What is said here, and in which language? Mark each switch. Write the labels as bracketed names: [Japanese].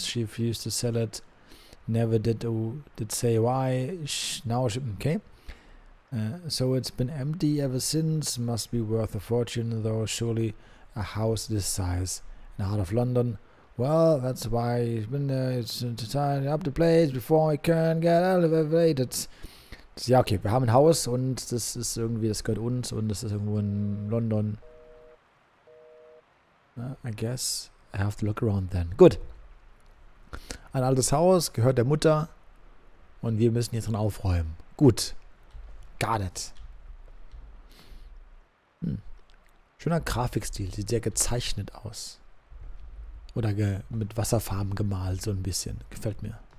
[English] She refused to sell it. Never did say why. Okay. So it's been empty ever since. Must be worth a fortune, though. Surely a house this size in the heart of London. Well, that's why he's been there. It's to tidy up the place before he can get elevated. [German] Ja, okay, wir haben ein Haus und das ist irgendwie, das gehört uns und das ist irgendwo in London. [English] I guess I have to look around then. [German] Gut. Ein altes Haus, gehört der Mutter und wir müssen jetzt dran aufräumen. Gut. [English] Got it. [German] Schöner Grafikstil, sieht sehr gezeichnet aus. Oder mit Wasserfarben gemalt, so ein bisschen. Gefällt mir.